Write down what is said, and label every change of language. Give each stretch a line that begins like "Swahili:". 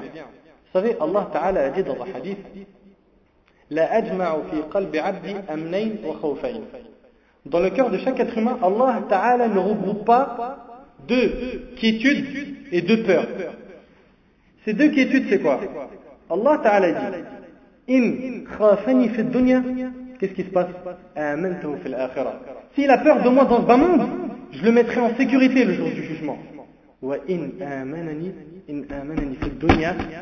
French: Vous savez, Allah Ta'ala a dit dans un hadith,
Arabic: لا أجمع في قلب عبدي أمنين وخوفين.
French: Dans le cœur de chaque être humain, Allah Ta'ala ne regroupe pas deux quiétudes et deux peurs. Ces deux quiétudes, c'est quoi?
Arabic: Allah Ta'ala dit إن خافني في الدنيا.
French: Qu'est-ce qui se passe?
Arabic: آمنته في الآخرة.
French: S'il a peur de moi dans ce bas monde, je le mettrai en sécurité le jour du jugement.
Arabic: وإن آمنني إن آمنني في الدنيا.